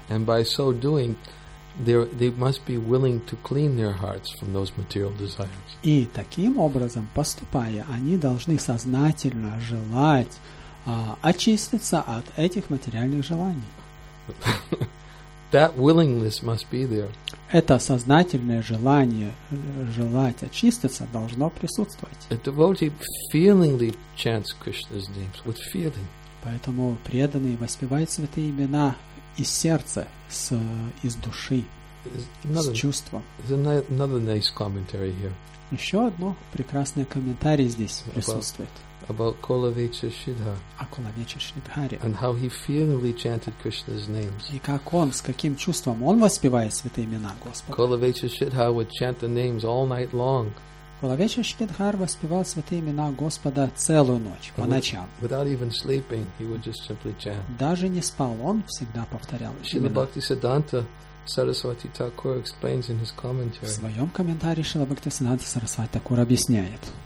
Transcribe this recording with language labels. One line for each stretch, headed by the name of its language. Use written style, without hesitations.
English: And by so doing, they must be willing to clean their hearts from those material desires.
Russian: И таким образом поступая, они должны сознательно желать очиститься от этих материальных желаний.
English: That willingness must be there.
Russian: Это сознательное желание желать очиститься должно присутствовать.
English: A devotee feelingly chants Krishna's names with feeling.
Russian: Поэтому преданный воспевает святые имена из сердца, из души, с чувством.
English: There's another nice commentary here.
Russian: Еще одно прекрасное комментарий здесь присутствует.
English: About Kulavecha Shridhar.
Russian: О Кулавече Шридхаре.
English: And how he feelingly chanted Krishna's names.
Russian: И как он, с каким чувством он воспевает святые имена Господа.
English: Kulavecha Shridhar would chant the names all night long.
Russian: Кулавече Шридхар воспевал святые имена Господа целую ночь, по ночам.
English: Without even sleeping, he would just simply chant.
Russian: Даже не спал, он всегда повторял.
English: Shrila Bhaktisiddhanta Saraswati Thakur explains in his commentary.
Russian: В своем комментарии Шрила Бхактисиддханта Сарасвати Такур объясняет.